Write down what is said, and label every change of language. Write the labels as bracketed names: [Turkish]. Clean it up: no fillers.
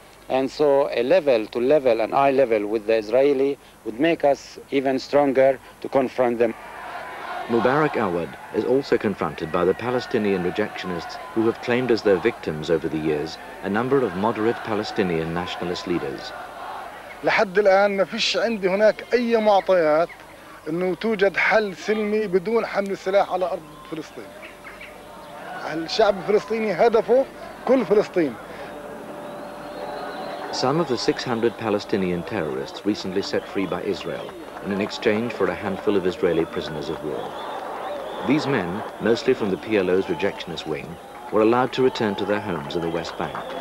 [English] And so a level to level, an eye level with the Israeli, would make us even stronger to confront them. Mubarak Awad is also confronted by the Palestinian rejectionists who have claimed as their victims over the years a number of moderate Palestinian nationalist leaders. [Arabic] لحد الآن ما فيش عندي هناك أي معطيات إنه توجد حل سلمي بدون حمل السلاح على أرض فلسطين. الشعب الفلسطيني هدفه كل فلسطين. [English] Some of the 600 Palestinian terrorists recently set free by Israel in an exchange for a handful of Israeli prisoners of war. These men, mostly from the PLO's rejectionist wing, were allowed to return to their homes in the West Bank.